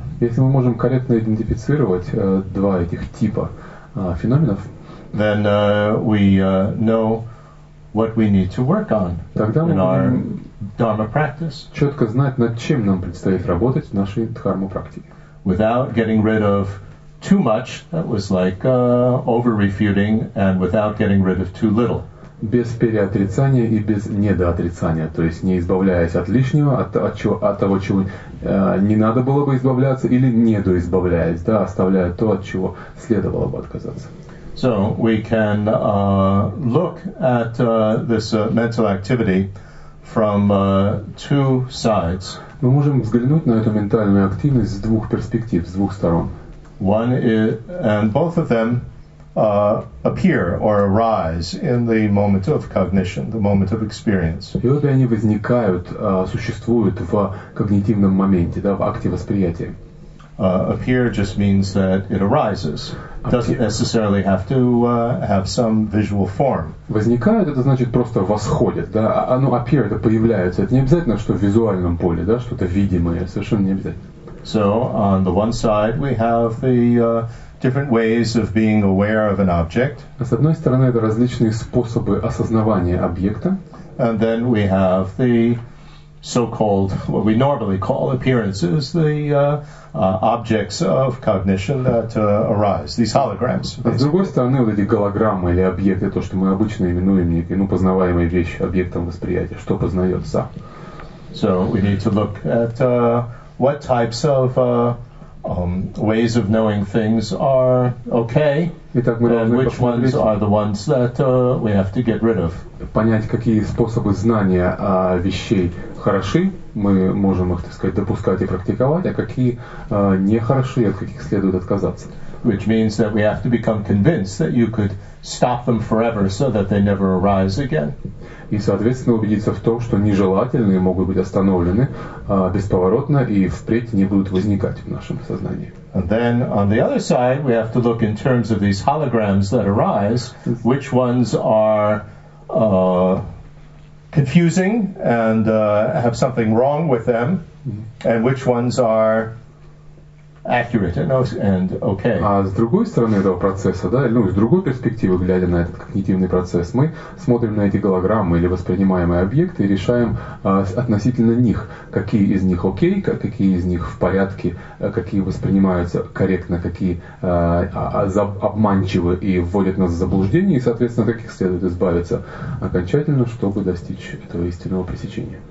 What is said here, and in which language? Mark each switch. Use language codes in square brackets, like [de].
[ru] Если мы можем корректно идентифицировать два этих типа феноменов, [en] then we know what we need to work on in our dharma practice. [ru] Четко знать, над чем нам предстоит работать в нашей дхарма практике. [en] Without getting rid of too much, that was like over-refuting, and without getting rid of too little. [ru] Без переотрицания и без недоотрицания, то есть не избавляясь от лишнего, от того, чего не надо было бы избавляться, или недоизбавляясь, да, оставляя то, от чего следовало бы отказаться. [en] So we can look at this mental activity from two sides. [ru] Мы можем взглянуть на эту ментальную активность с двух перспектив, с двух сторон. [en] One is, and both of them appear or arise in the moment of cognition, the moment of experience. [ru] И вот они возникают, существуют в когнитивном моменте, да, в акте восприятия. [en] Appear just means that it arises. It doesn't necessarily have to have some visual form. [ru] Возникают — это значит просто восходит, да. Оно appear — это появляется. Это не обязательно, что в визуальном поле, да, что-то видимое, совершенно не обязательно. [en] So on the one side we have the different ways of being aware of an object. [ru] А с одной стороны, это различные способы осознавания объекта. [en] And then we have the so-called, what we normally call appearances, the objects of cognition that arise, these holograms. [ru] А с другой стороны, вот эти голограммы или объекты, то, что мы обычно именуем некие, ну, познаваемые вещи объектом восприятия, что познается. [en] So we need to look at what types of ways of knowing things are okay. [ru] Итак, мы должны [en] which ones are the ones that we have to get rid of. [ru] Понять, какие способы знания вещей хороши, мы можем их, так сказать, допускать и практиковать, а какие нехороши, от каких следует отказаться. [en] Which means that we have to become convinced that you could stop them forever so that they never arise again. [ru] И, соответственно, убедиться в том, что нежелательные могут быть остановлены бесповоротно и впредь не будут возникать в нашем сознании. [en] And then, on the other side, we have to look in terms of these holograms that arise, which ones are confusing and have something wrong with them, and which ones are accurate and okay. [ru] А с другой стороны этого процесса, да, ну, с другой перспективы, глядя на этот когнитивный процесс, мы смотрим на эти голограммы или воспринимаемые объекты и решаем относительно них, какие из них окей, какие из них в порядке, какие воспринимаются корректно, какие обманчивы и вводят нас в заблуждение, и, соответственно, каких следует избавиться окончательно, чтобы достичь этого истинного пресечения.